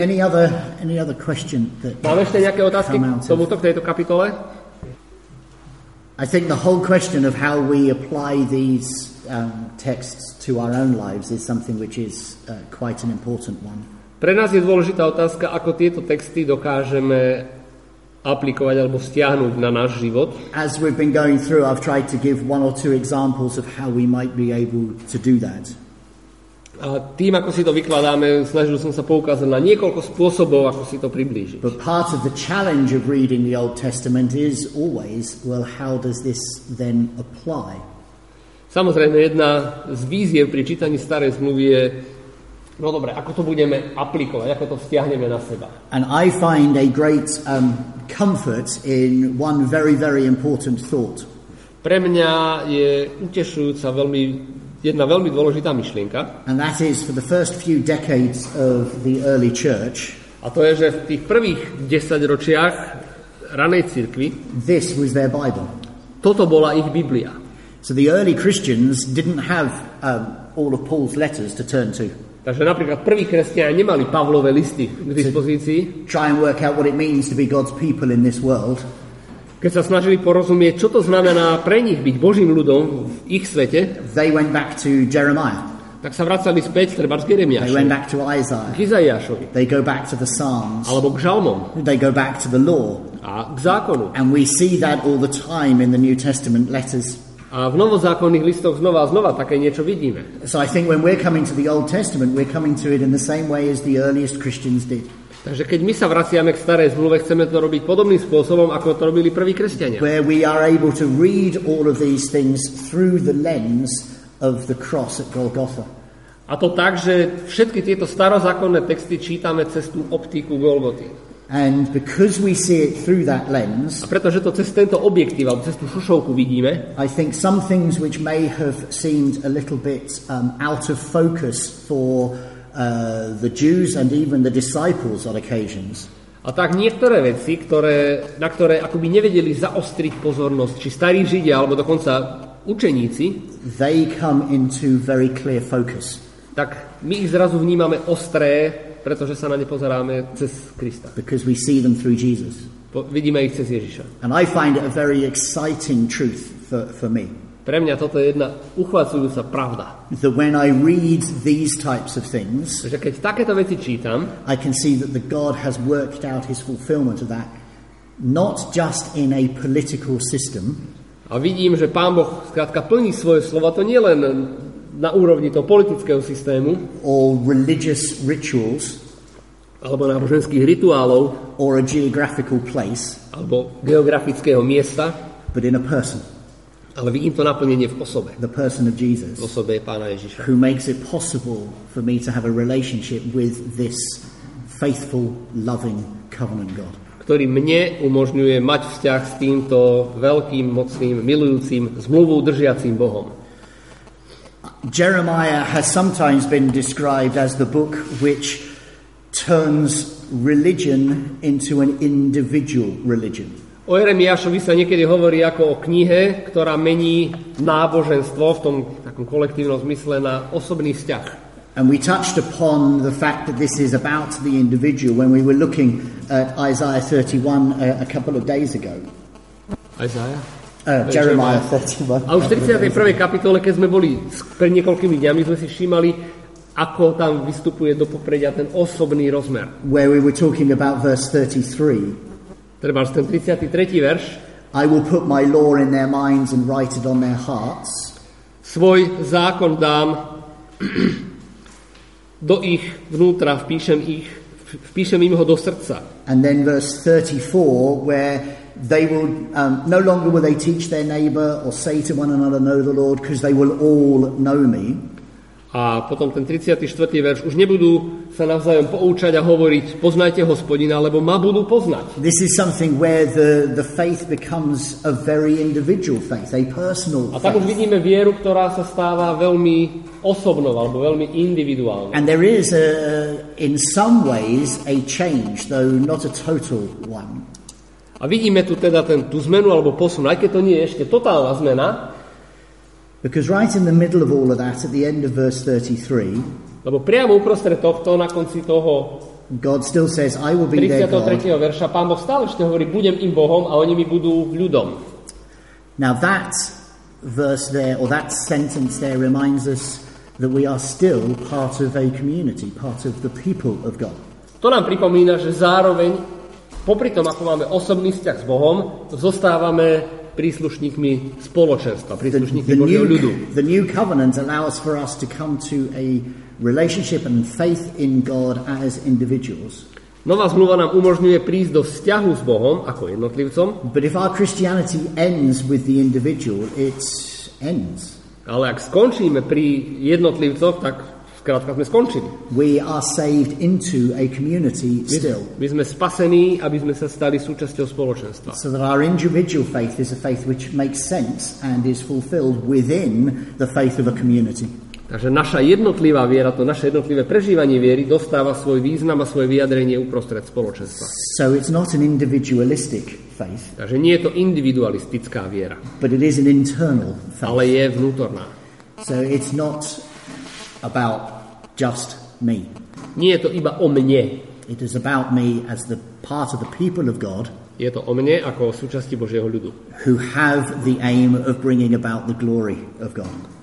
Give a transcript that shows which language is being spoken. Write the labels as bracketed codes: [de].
[en] Any other question that come out of [sk] tejto kapitole? [en] I think the whole question of how we apply these texts to our own lives is something which is quite an important one. [sk] Pre nás je dôležitá otázka, ako tieto texty dokážeme aplikovať alebo stiahnuť na náš život. [en] As we've been going through, I've tried to give one or two examples of how we might be able to do that. [sk] A tým, ako si to vykladáme, snažil som sa poukázať na niekoľko spôsobov, ako si to priblížiť. [en] But part of the challenge of reading the Old Testament is always, well, how does this then apply? [sk] Samozrejme, jedna z výziev pri čítaní starej zmluvy je, no dobre, ako to budeme aplikovať, ako to vzťahneme na seba. [en] And I find a great comfort in one very, very important thought. [sk] Pre mňa je utešujúca veľmi jedna veľmi dôležitá myšlienka. [en] And that is for the first few decades of the early church. [sk] A to je, že v tých prvých 10 ročiach ranej cirkvi. [en] This was their Bible. [sk] Toto bola ich Biblia. [en] So the early Christians didn't have all of Paul's letters to turn to. [sk] Takže napríklad prví kresťania nemali Pavlové listy k dispozícii. [en] Try and work out what it means to be God's people in this world. [sk] Keď sa snažili porozumieť, čo to znamená pre nich byť Božím ľudom v ich svete, [en] they went back to Jeremiah. [sk] Tak sa vracali späť treba z Jeremiaša. [en] They went back to Isaiah. [sk] K Izaiášovi. [en] They go back to the Psalms. [sk] Alebo k Žalmom. [en] They go back to the law. [sk] A k zákonu. [en] And we see that all the time in the New Testament letters. [sk] A v novozákonných listoch znova a znova také niečo vidíme. [en] So I think when we're coming to the Old Testament, we're coming to it in the same way as the earliest Christians did. [sk] Takže keď my sa vraciame k starej zmluve, chceme to robiť podobným spôsobom, ako to robili prví kresťania. [en] Where we are able to read all of these things through the lens of the cross at Golgotha. [sk] A to tak, že všetky tieto starozákonné texty čítame cez tú optiku Golgoty. [en] And because we see it through that lens, [sk] a pretože to cez tento objektív, alebo cez tú šošovku vidíme, [en] I think some things which may have seemed a little bit out of focus for the Jews and even the disciples on occasions. [sk] A tak niektoré veci, na ktoré akoby nevedeli zaostriť pozornosť, či starí Židia, alebo dokonca učeníci, [en] they come into very clear focus. [sk] Tak my ich zrazu vnímame ostré, pretože sa na ne pozeráme cez Krista. [en] Because we see them through Jesus. [sk] Vidíme ich cez Ježiša. [en] And I find it a very exciting truth for me. [sk] Pre mňa toto je jedna uchvacujúca pravda. [en] That when I read these types of things, [sk] že keď takéto veci čítam, [en] I can see that the God has worked out his fulfillment of that not just in a political system. [sk] A vidím, že Pán Boh skrátka plní svoje slova, to nie len na úrovni toho politického systému, [en] or religious rituals, [sk] alebo náboženských rituálov, [en] or a geographical place, [sk] alebo geografického miesta, [en] but in a person. [sk] Ale vidím to naplnenie v osobe. [en] The person of Jesus. [sk] V osobe Pána Ježiša. [en] Who makes it possible for me to have a relationship with this faithful, loving covenant God. [sk] ktorý mne umožňuje mať vzťah s týmto veľkým, mocným, milujúcim, zmluvu držiacím Bohom. [en] Jeremiah has sometimes been described as the book which turns religion into an individual religion. [sk] O Jeremiášovi sa niekedy hovorí ako o knihe, ktorá mení náboženstvo v tom takom kolektívnom zmysle na osobný vzťah. [en] And we touched upon the fact that this is about the individual when we were looking at Isaiah 31 a couple of days ago. Isaiah? Jeremiah 31. [sk] A už v 31. kapitole, keď sme boli pred niekoľkými dňami, sme si všímali, ako tam vystupuje do popredia ten osobný rozmer. [en] Where we were talking about verse 33. [sk] Trebárs ten 33. verš. [en] I will put my law in their minds and write it on their hearts. [sk] Svoj zákon dám do ich vnútra, vpíšem im ho do srdca. [en] And then verse 34, where they will no longer will they teach their neighbor or say to one another, know the Lord, because they will all know me. [sk] A potom ten 34. verš, už nebudú sa navzájom poučať a hovoriť, poznajte Hospodina, lebo ma budú poznať. [en] This is something where the faith becomes a very individual faith, a personal faith. [sk] A tak už vidíme vieru, ktorá sa stáva veľmi osobnou alebo veľmi individuálnou. [en] And there is a, in some ways a change, though not a total one. [sk] A vidíme tu teda tú zmenu alebo posun, aj keď to nie je ešte totálna zmena. [en] Because right in the middle of all of that, at the end of verse 33, [sk] lebo priamo uprostred tohto, na konci toho, [en] God still says, I will be their God. [sk] 33. verša, Pán Boh stále ešte hovorí, budem im Bohom a oni mi budú ľudom. [en] Now that verse there, or that sentence there, reminds us that we are still part of a community, part of the people of God. [sk] To nám pripomína, že zároveň, popri tom, ako máme osobný vzťah s Bohom, zostávame príslušníkmi spoločenstva, príslušníkmi Božieho ľudu. [en] The new covenant allows for us to come to a relationship and faith in God as individuals. [sk] Nová zmluva nám umožňuje prísť do vzťahu s Bohom ako jednotlivcom. [en] But if our Christianity ends with the individual, it ends. [sk] Ale ak skončíme pri jednotlivcoch, tak skrátka sme skončili. [en] We are saved into a community still. [sk] My sme spasení, aby sme sa stali súčasťou spoločenstva. [en] So that our individual faith is a faith which makes sense and is fulfilled within the faith of a community. [sk] Takže naša jednotlivá viera, to naše jednotlivé prežívanie viery dostáva svoj význam a svoje vyjadrenie uprostred spoločenstva. [en] So it's not an individualistic faith. [sk] Takže nie je to individualistická viera. [en] But it is an internal faith. [sk] Ale je vnútorná. [en] So it's not about just me. [sk] Nie je to iba o mne. [en] It is about me as the part of the people of God. [sk] Je to o mne ako o súčasti Božieho ľudu. [en] Who have the aim of bringing about the glory of God.